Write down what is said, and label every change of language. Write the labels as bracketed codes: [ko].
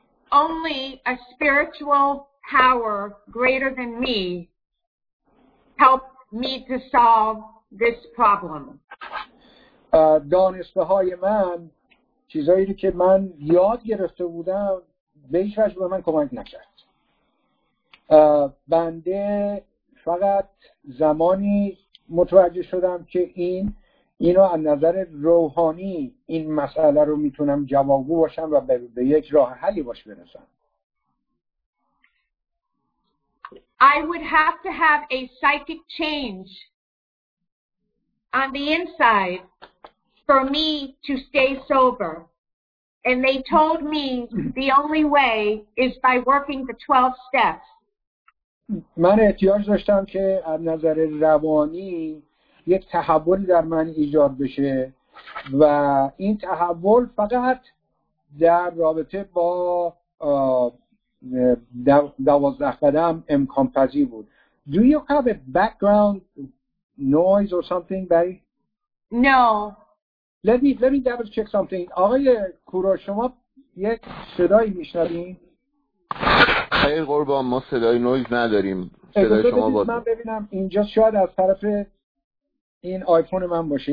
[en] Only a spiritual power greater than me helped me to solve this problem. [fa] دانسته‌های من چیزایی که من یاد گرفته بودم به هیچ وجه به من کمک نکرد. بنده فقط زمانی متوجه شدم که اینو از نظر روحانی این مسئله رو میتونم جوابگو باشم و به یک راه حلی باش برسم. [en] I would have to have a psychic change on the inside for me to stay sober. And they told me the only way is by working the 12 steps. [fa] من احتیاج داشتم که از نظر روانی یک تحول در من ایجاد بشه و این تحول فقط در رابطه با 12 قدم امکان پذیر بود. [en] Do you have a background noise or something, Barry? No. Let me double check something. [fa] آقای کوروش شما یک صدایی میشنوید؟ خیلی قربان ما صدای نویز نداریم. صدای شما باز من ببینم اینجا شاید از طرف این آیفون من باشه.